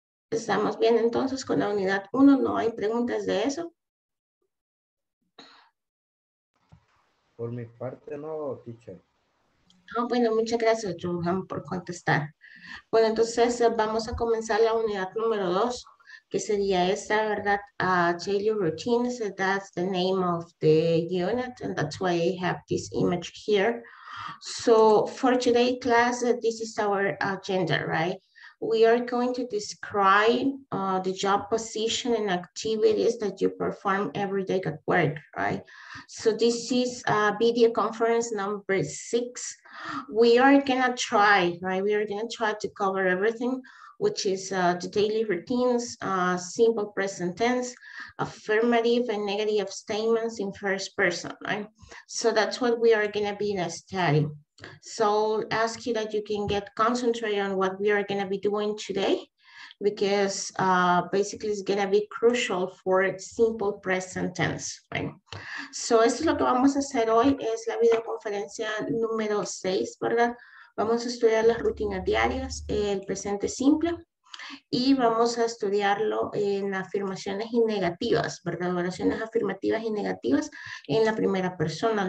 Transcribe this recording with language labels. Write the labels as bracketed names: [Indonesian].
[Spanish] ¿Estamos bien entonces con la unidad 1? ¿No hay preguntas de eso? Por mi parte, no, teacher. Oh, bueno, muchas gracias, Johan, por contestar. Bueno, entonces vamos a comenzar la unidad número 2, que sería esta, ¿verdad? [English] Daily Routines, that's the name of the unit, and that's why I have this image here. So, for today's class, this is our agenda, right? We are going to describe the job position and activities that you perform every day at work, right? So this is video conference number 6. We are gonna try, right? We are gonna try to cover everything, which is the daily routines, simple present tense, affirmative and negative statements in first person, right? So that's what we are gonna be studying. So ask you that you can get concentrated on what we are going to be doing today, because basically it's going to be crucial for simple present tense, right? [Spanish] So esto es lo que vamos a hacer hoy, es la videoconferencia número 6, ¿verdad? Vamos a estudiar las rutinas diarias, el presente simple, y vamos a estudiarlo en afirmaciones y negativas, ¿verdad? Oraciones afirmativas y negativas en la primera persona.